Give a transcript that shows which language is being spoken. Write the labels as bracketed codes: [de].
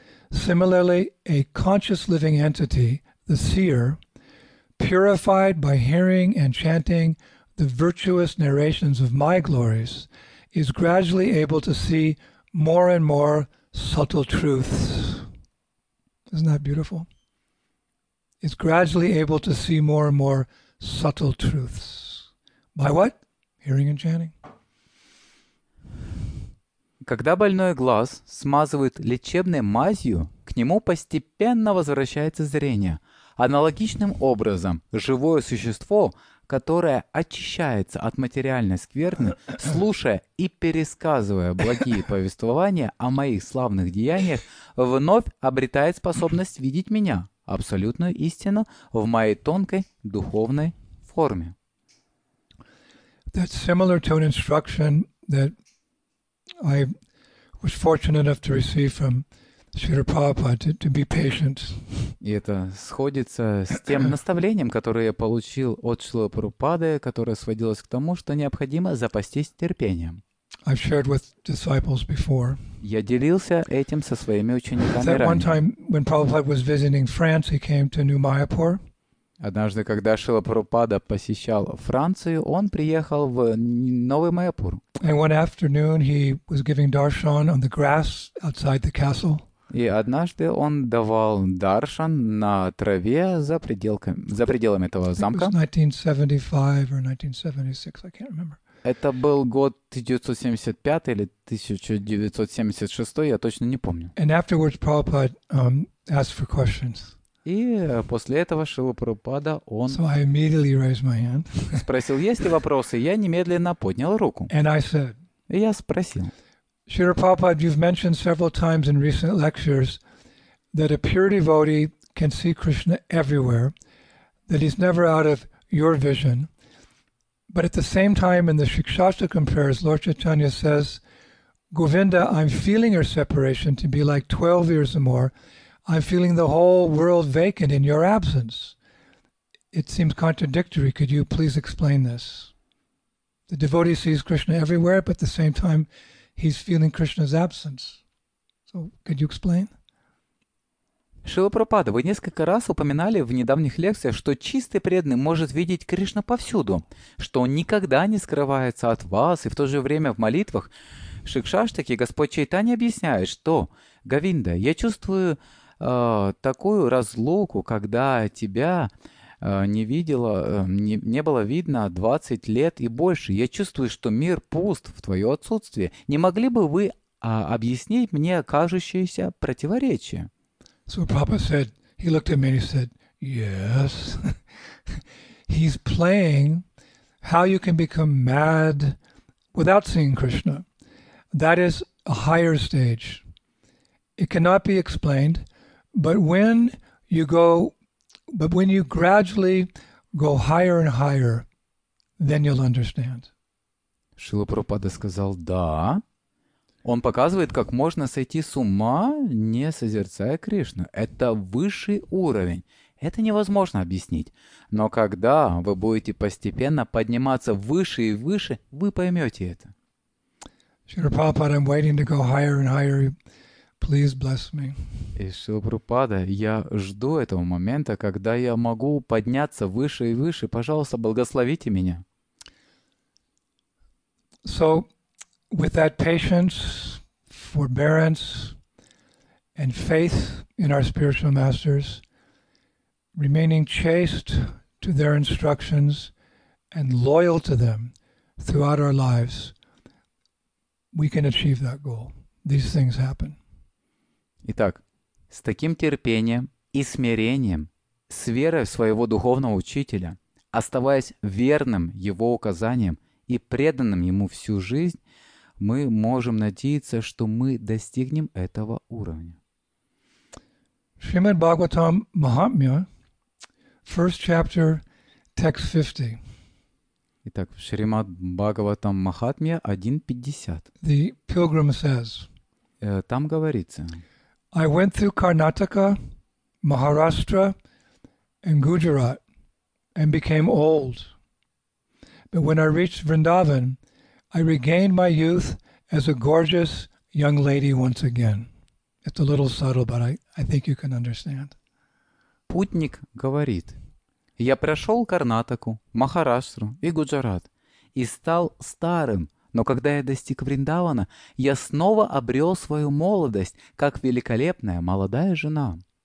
[en] Similarly, a conscious living entity, the seer, purified by hearing and chanting the virtuous narrations of my glories, is gradually able to see more and more subtle truths. Isn't that beautiful? It's gradually able to see more and more subtle truths. By what? Hearing and chanting. [ru] Когда больной глаз смазывают лечебной мазью, к нему постепенно возвращается зрение. Аналогичным образом, живое существо, которая очищается от материальной скверны, слушая и пересказывая благие повествования о моих славных деяниях, вновь обретает способность видеть меня, абсолютную истину, в моей тонкой духовной форме. [en] That's similar to an instruction that I was fortunate enough to receive from Srila Prabhupada, to be patient. [ru] И это сходится с тем наставлением, которое я получил от Шрилы Прабхупады, которое сводилось к тому, что необходимо запастись терпением. [en] I've shared with disciples before. [ru] Я делился этим со своими учениками ранее. [en] One time, when Prabhupada was visiting France, he came to New Mayapur. [ru] Однажды, когда Шрила Прабхупада посещал Францию, он приехал в Новый Майяпур. [en] And one afternoon, he was giving darshan on the grass outside the castle. [ru] И однажды он давал даршан на траве за пределами этого замка. [en] It was 1975 or 1976, I can't remember. [ru] Это был год 1975 или 1976, я точно не помню. [en] And afterwards, Prabhupada asked for questions. [ru] И после этого Шрила Прабхупада он [en] so I immediately raised my hand. [ru] Спросил, есть ли вопросы. Я немедленно поднял руку. [en] And I said, [ru] и я спросил. [en] Srila Prabhupada, you've mentioned several times in recent lectures that a pure devotee can see Krishna everywhere, that he's never out of your vision. But at the same time, in the Shikshashtakam prayers, Lord Chaitanya says, Govinda, I'm feeling your separation to be like 12 years or more. I'm feeling the whole world vacant in your absence. It seems contradictory. Could you please explain this? The devotee sees Krishna everywhere, but at the same time, he's feeling Krishna's absence. So, could you explain? [ru] Шрила Прабхупада, вы несколько раз упоминали в недавних лекциях, что чистый преданный может видеть Кришну повсюду, что он никогда не скрывается от вас, и в то же время в молитвах Шикшаштаки Господь Чайтанья объясняет, что «Говинда, я чувствую такую разлуку, когда тебя не видела, не было видно 20 лет и больше. Я чувствую, что мир пуст в твое отсутствие. Не могли бы вы объяснить мне кажущееся противоречие?» [en] So Prabhupada said, he looked at me and he said, Yes. He's playing how you can become mad without seeing Krishna. That is a higher stage. It cannot be explained, but when you gradually go higher and higher, then you'll understand. [ru] Шрила Прабхупада сказал, да. Он показывает, как можно сойти с ума, не созерцая Кришну. Это высший уровень. Это невозможно объяснить. Но когда вы будете постепенно подниматься выше и выше, вы поймете это. [en] Шрила Прабхупада, I'm waiting to go higher and higher. Please bless me. [ru] И Шрила Прабхупада, я жду этого момента, когда я могу подняться выше и выше. Пожалуйста, благословите меня. [en] So, with that patience, forbearance, and faith in our spiritual masters, remaining chaste to their instructions and loyal to them throughout our lives, we can achieve that goal. These things happen. [ru] Итак, с таким терпением и смирением, с верой в своего духовного учителя, оставаясь верным его указаниям, и преданным ему всю жизнь, мы можем надеяться, что мы достигнем этого уровня. [en] Шримад Бхагаватам Махатмья, first chapter, text 50. [ru] Итак, Шримад Бхагаватам Махатмья 1.50. [en] The pilgrim says, [ru] там говорится, [en] I went through Karnataka, Maharashtra and Gujarat and became old. But when I reached Vrindavan, I regained my youth as a gorgeous young lady once again. It's a little subtle, but I think you can understand. [ru] Путник говорит, я прошел Карнатаку, Махараштру и Гуджарат и стал старым, но когда я достиг Вриндавана, я снова обрел свою молодость, как великолепная молодая жена.